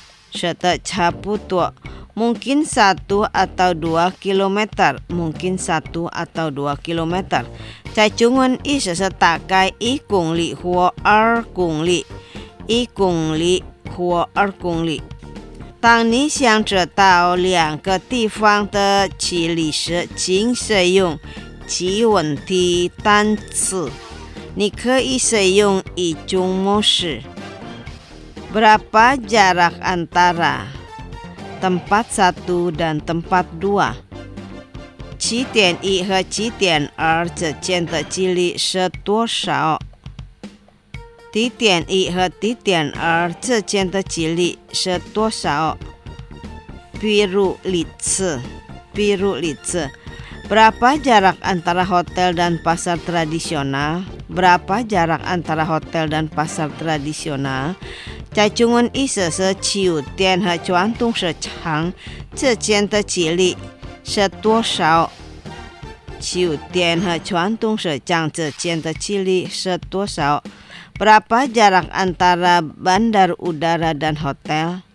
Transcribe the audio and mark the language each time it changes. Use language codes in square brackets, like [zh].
[zh] 舍得差不多 [id] mungkin 1 atau 2 kilometer [zh] mungkin 1 atau 2 kilometer 在中文意思是大概1公里或2公里1公里或二公里。当你想知道两个地方的距离时，请使用几问题单词。你可以使用一种模式 [id] ：berapa jarak antara tempat satu dan tempat dua？ [zh] 起点一和起点二之间的距离是多少？地点一和地点二之间的距离是多少？比如例子，比如例子 [id] ，berapa jarak antara hotel dan pasar tradisional？ Berapa jarak antara hotel dan pasar tradisional？ [zh] 在中文意思是酒店和传统市场之间的距离是多少？酒店和传统市场之间的距离是多少？ [id] Berapa jarak antara bandar udara dan hotel?